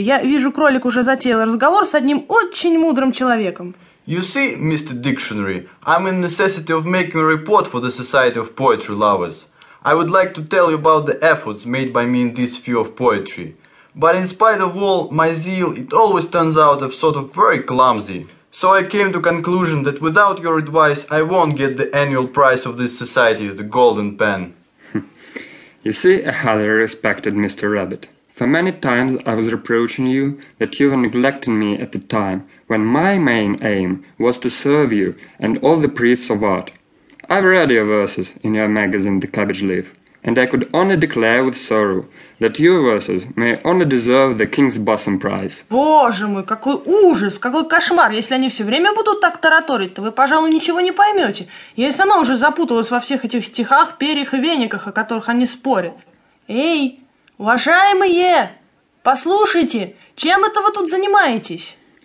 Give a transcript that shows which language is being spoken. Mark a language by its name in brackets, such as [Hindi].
[Russian] Я вижу, кролик уже затеял разговор с одним очень мудрым человеком. [English] You see, Mr. Dictionary, I'm in necessity of making a report for the Society of Poetry Lovers. I would like to tell you about the efforts made by me in this field of poetry. But in spite of all my zeal, it always turns out of sort of very clumsy. So I came to conclusion that without your advice, I won't get the annual prize of this society, the Golden Pen. You see, a highly respected Mr. Rabbit, for many times I was reproaching you that you were neglecting me at the time when my main aim was to serve you and all the priests of art. I've read your verses in your magazine, The Cabbage Leaf, and I could only declare with sorrow that your verses may only deserve the King's Bosom Prize. [Russian] Боже мой, какой ужас, какой кошмар! Если они все время будут так тараторить, то вы, пожалуй, ничего не поймете. Я и сама уже запуталась во всех этих стихах, перьях и вениках, о которых они спорят. Эй, уважаемые, послушайте, чем это вы тут занимаетесь?